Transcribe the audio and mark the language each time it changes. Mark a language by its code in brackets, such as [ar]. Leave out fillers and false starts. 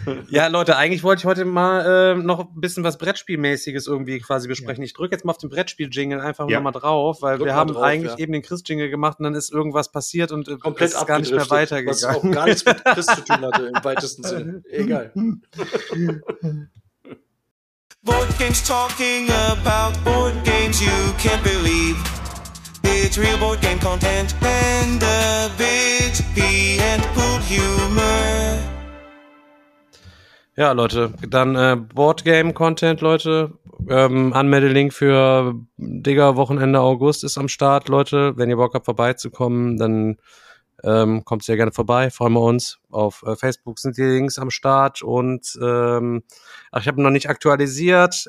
[de] Ja, Leute, eigentlich wollte ich heute mal noch ein bisschen was Brettspielmäßiges irgendwie quasi besprechen. Ja. Ich drücke jetzt mal auf den Brettspiel-Jingle einfach nochmal drauf, weil wir haben drauf, eigentlich eben den Chris-Jingle gemacht und dann ist irgendwas passiert und komplett ist gar nicht mehr weitergegangen. Was auch gar nichts mit Chris zu tun hatte, im weitesten Sinne. Egal. [en] Board games talking about board games you can't believe. It's real board game content and a bit and pool humor. [de] Ja, Leute, dann Boardgame-Content, Leute. Anmelde-Link für Digger-Wochenende August ist am Start, Leute. Wenn ihr Bock habt, vorbeizukommen, dann kommt sehr gerne vorbei. Freuen wir uns. Auf Facebook sind die Links am Start. Und ich habe noch nicht aktualisiert.